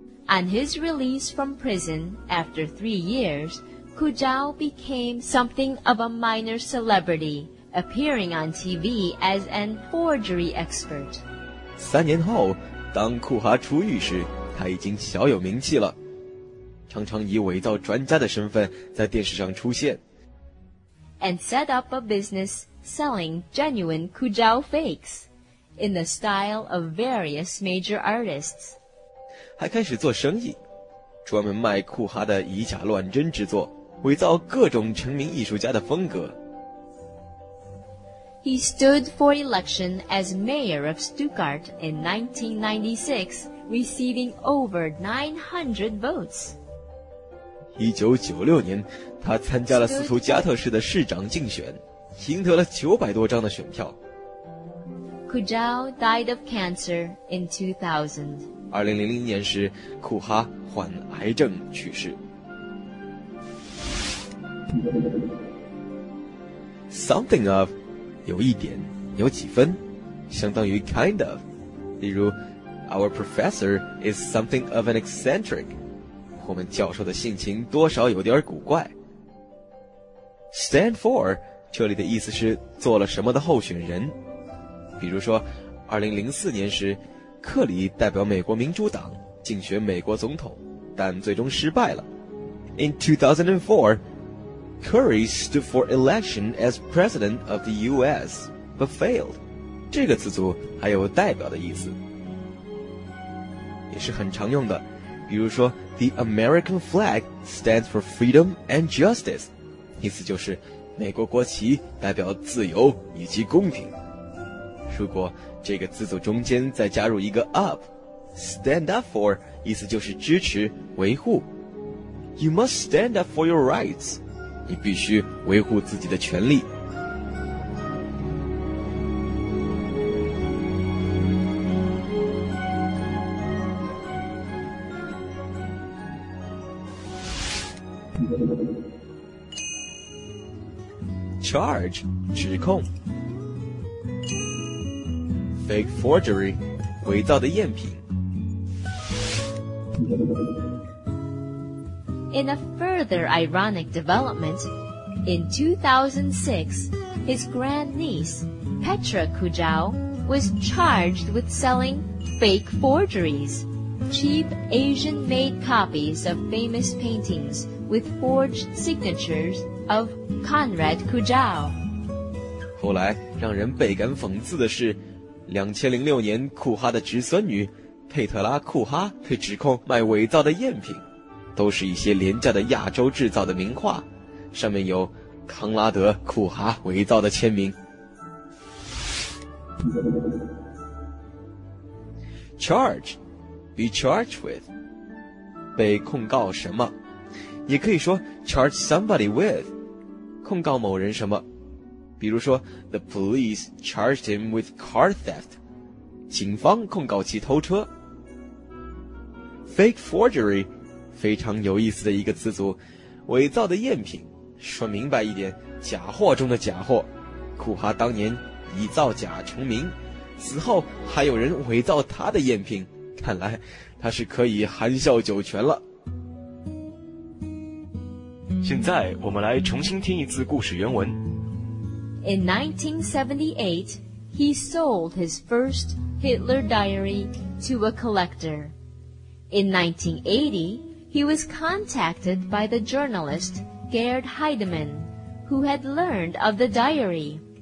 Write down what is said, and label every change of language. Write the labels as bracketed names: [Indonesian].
[English] On his release from prison after 3 years, Kujau became something of a minor celebrity. Appearing on TV as an forgery expert. [Chinese] 3年后，当库哈出狱时，他已经小有名气了，常常以伪造专家的身份在电视上出现。 [English] And set up a business selling genuine Kujau fakes in the style of various major artists. [Chinese] 还开始做生意，专门卖库哈的以假乱真之作，伪造各种成名艺术家的风格。 [English] He stood for election as mayor of Stuttgart in 1996, receiving over 900 votes. [Chinese] 1996年，他参加了斯图加特市的市长竞选，赢得了900多张的选票。 [English] Kujau died of cancer in 2000. [Chinese] 2000年时，库哈患癌症去世。 Something of，有一点，有几分，相当于 kind of。例如 [English] ，Our professor is something of an eccentric。 [Chinese] 我们教授的性情多少有点古怪。Stand for， 这里的意思是做了什么的候选人。比如说2004年时，克里代表美国民主党竞选美国总统，但最终失败了。 [English] In 2004, Curry stood for election as president of the US, but failed. [Chinese] 这个词组还有代表的意思，也是很常用的。比如说 [English] The American flag stands for freedom and justice, [Chinese] 意思就是美国国旗代表自由以及公平。如果这个字组中间再加入一个 up, stand up for, 意思就是支持、维护。 [English] You must stand up for your rights, [Chinese] 你必须维护自己的权利。 Charge, 指控。 Fake forgery, 伪造的赝品。 [English] In a further ironic development, in 2006, his grandniece, Petra Kujau, was charged with selling fake forgeries, cheap Asian-made copies of famous paintings with forged signatures of Conrad Kujau. [Chinese] 后来让人倍感讽刺的是2006年，库哈的侄孙女佩特拉·库哈被指控卖伪造的赝品，都是一些廉价的亚洲制造的名画，上面有康拉德·库哈伪造的签名。 Charge, be charged with, 被控告什么，也可以说 charge somebody with, 控告某人什么。比如说 [English] ,the police charged him with car theft, [Chinese] 警方控告其偷车。 Fake forgery, 非常有意思的一个词组，伪造的赝品，说明白一点，假货中的假货。库哈当年以造假成名，此后还有人伪造他的赝品，看来他是可以含笑九泉了。现在我们来重新听一次故事原文。 [English] In 1978, he sold his first Hitler diary to a collector. In 1980, he was contacted by the journalist Gerd Heidemann, who had learned of the diary.